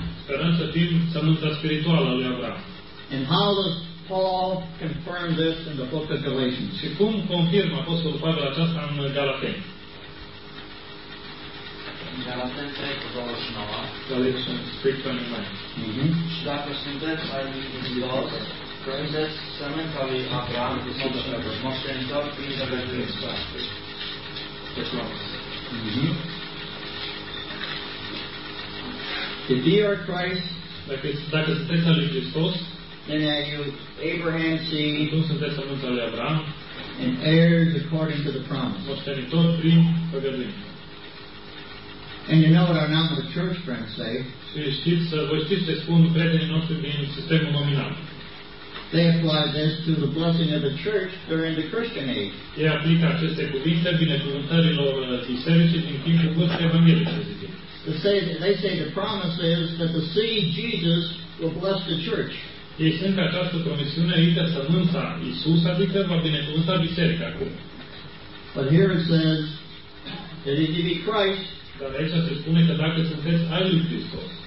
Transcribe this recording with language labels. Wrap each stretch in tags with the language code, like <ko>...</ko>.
<ro>Speranța din sămânța spirituală a lui Avram.</ro> <en>And how does Paul confirm this in the book of Galatians?</en> <ro>Și cum confirmă apostolul Pavel aceasta în Galateni? În Galateni 3 cu 29.</ro> <en>Galatians 3 cu 29.</en> <ro>Și dacă sunteți ai mijlos, prindeți sămânța lui Avram, cu moștenitor prin zăvătul Iisus.</ro> <en>If you are Christ,</en> <ro>dacă sunteți al lui Hristos,</ro> <en>then you Abraham's seed,</en> <ro>tu sunteți sămânța lui Avram,</ro> <en>and heirs according to the promise,</en> <ro>moștenitor prin făgăduință.</ro> <en>And you know what our nominal church friends say?</en> <ro>Știți ce spun prietenii noștri din sistemul nominal.</ro> <en>They apply this to the blessing of the church during the Christian age.</en> <ro>Ei aplică aceste cuvinte binecuvântărilor bisericii din timpul vârstei evangheliei.</ro> <en>They say the promise is that the seed Jesus will bless the church.</en> <ro>Ei spun că această promisiune este sămânța Iisus, adică va binecuvânta biserica.</ro> <en>But here it says that if you be Christ,</en> <ro>dar aici se spune că dacă sunteți ai lui Hristos,</ro>